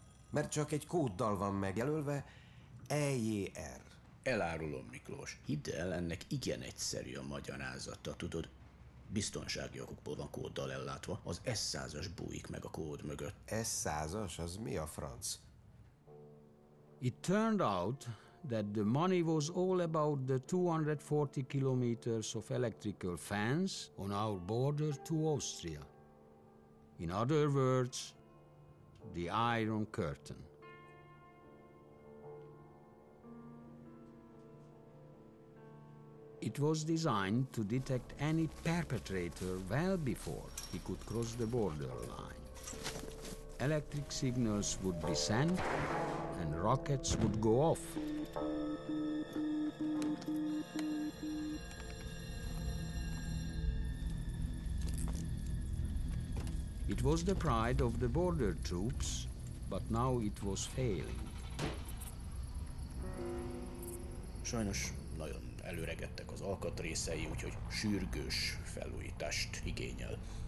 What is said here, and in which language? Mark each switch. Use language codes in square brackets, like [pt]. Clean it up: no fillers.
[hu] Mert csak egy kóddal van megjelölve, EJR. Elárulom, Miklós. Hidd el, ennek igen egyszerű a magyarázata, tudod? Biztonsági okokból van kóddal ellátva, az S100-as bújik meg a kód mögött. S100-as? Az mi a franc? [en] It turned out that the money was all about the 240 kilometers of electrical fence on our border to Austria. In other words, the Iron Curtain. It was designed to detect any perpetrator well before he could cross the border line. Electric signals would be sent, and rockets would go off. It was the pride of the border troops, but now it was failing. [hu] Sajnos nagyon előregettek az alkatrészei, úgyhogy sürgős felújítást igényel.